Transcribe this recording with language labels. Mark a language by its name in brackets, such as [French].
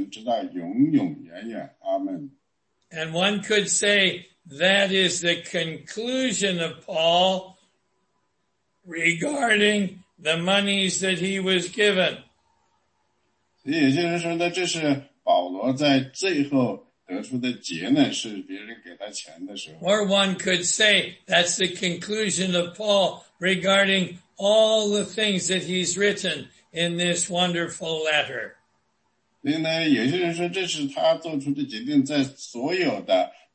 [Chinese] 接着来第二十节，愿荣耀归给我们的父神，直到永永远远。Amen. [English] And one could say that is the conclusion of Paul regarding the monies that he was given. [Chinese] 所以有些人说呢，这是保罗在最后得出的结论，是别人给他钱的时候。 [English] Or one could say that's the conclusion of Paul regarding all the things that he's written in this wonderful letter. [Chinese] 所以呢，有些人说这是他做出的决定，在所有的。